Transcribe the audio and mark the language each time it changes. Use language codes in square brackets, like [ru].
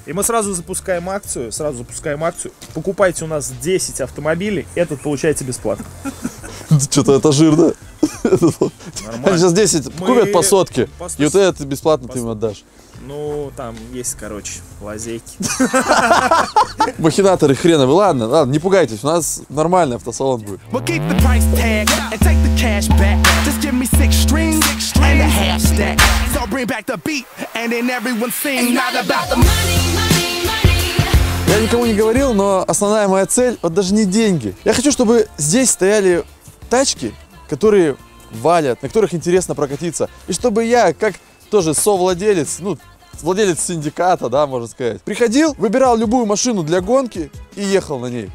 [ru] И мы сразу запускаем акцию, Покупайте у нас 10 автомобилей, этот получаете бесплатно. Что-то это жирно. Нормально. Они сейчас 10 купят по сотке, и вот этот бесплатно ты им отдашь. Ну, там есть, короче, лазейки. Махинаторы хреновы. Ладно, ладно, не пугайтесь, у нас нормальный автосалон будет. [en] We'll keep the price tag and take the cash back. Just give me 6 strings and a half stack. So bring back the beat and then everyone sing. It's not about the money. [ru] Я никому не говорил, но основная моя цель, вот даже не деньги. Я хочу, чтобы здесь стояли тачки, которые валят, на которых интересно прокатиться. И чтобы я, как тоже совладелец, ну, владелец синдиката, да, можно сказать, приходил, выбирал любую машину для гонки и ехал на ней.